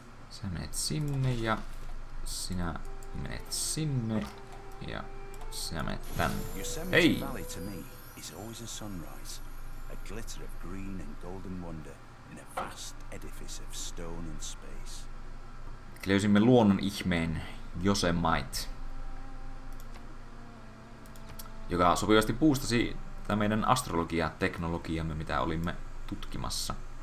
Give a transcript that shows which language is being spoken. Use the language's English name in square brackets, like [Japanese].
[Finnish] Sä menet sinne ja sinä menet sinne ja sinä menet tänne. Ei! [English] Is always a sunrise, a glitter of green and golden wonder in a vast edifice of stone and space. [Finnish] Löysimme luonnon ihmeen Yosemite, joka sopivasti boostasi tämän meidän astrologiateknologiamme, mitä olimme tutkimassa.